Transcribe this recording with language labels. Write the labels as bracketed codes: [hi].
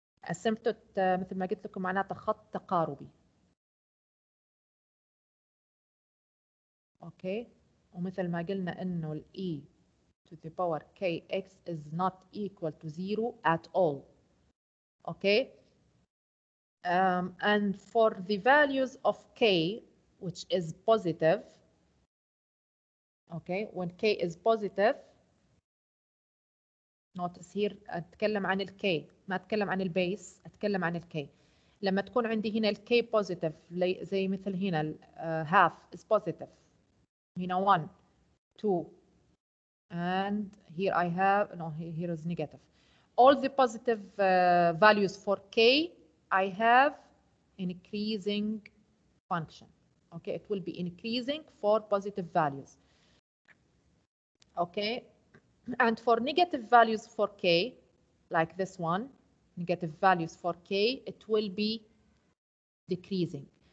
[ar] Asymptote مثل ما قلت لكم معناته خط تقاربي. [en] Okay. [ar] ومثل ما قلنا إنه ال [en] E to the power KX is not equal to zero at all. Okay. And for the values of K, which is positive, okay, when K is positive, notice here, [ar] أتكلم عن ال K, [en] ما أتكلم عن ال base, أتكلم عن ال K. [ar] لما تكون عندي هنا ال K positive, زي مثل هنا, [en] half is positive. هنا 1, 2, and here I have, no, here is negative. All the positive values for K, I have increasing function. Okay, it will be increasing for positive values. Okay, and for negative values for K, like this one, negative values for K, it will be decreasing.